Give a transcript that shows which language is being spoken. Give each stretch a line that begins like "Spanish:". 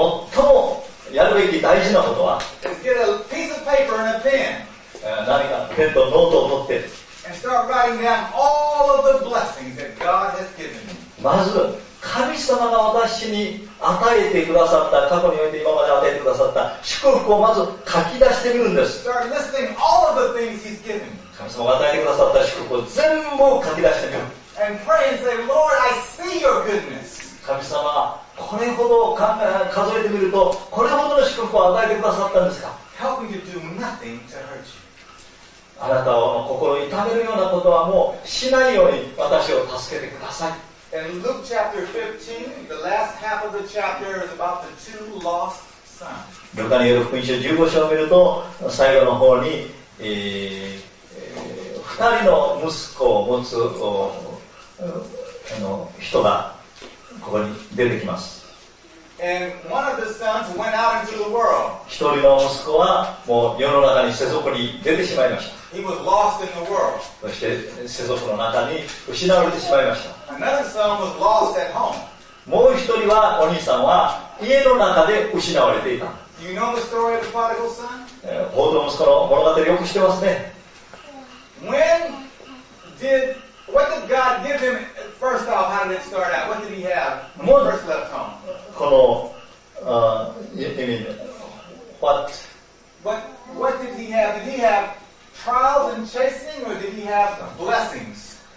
Japanese: 最もやるべき大事なことは、
English: get a piece of paper and a pen.
Japanese: 何かペンとノートを取って、
English: all of the blessings that God has given me.
Japanese: まず神様が私に与えてくださった、過去において今まで与えてくださった祝福をまず書き出してみるんです。
English: Start listing all of the things He's given me.
Japanese: 神様が与えてくださった祝福を全部書き出してみる。
English: And pray and say, Lord, I see your goodness.
Japanese: 神様これほど数えてみると、これほどの祝福を与えてくださったんですか。
English: Help me to do nothing to hurt you.
Japanese: あなたを心を痛めるようなことはもうしないように私を助けてください。
English: In Luke chapter 15, the last half of the chapter is about the two lost sons.
Japanese: ルカによる福音書15章を見ると、最後の方に二人の息子を持つあの人がここに出てきます。
English: And one of the sons went out into the world.
Japanese: 一人の息子はもう世の中に世俗に出てしまいました。
English: He was lost in the world.
Japanese: そして世俗の中に失われてしまいました。
English: Another son was lost at home.
Japanese: もう一人はお兄さんは家の中で失われていた。
English: You know the story of the prodigal son?
Japanese: 報道息子の物語よく知ってますね。
English: When did What did God give him first off? How did it start out? What did he have when he first left home? この、you mean, what? What did he have? Did he have trials and chastening or did he have blessings?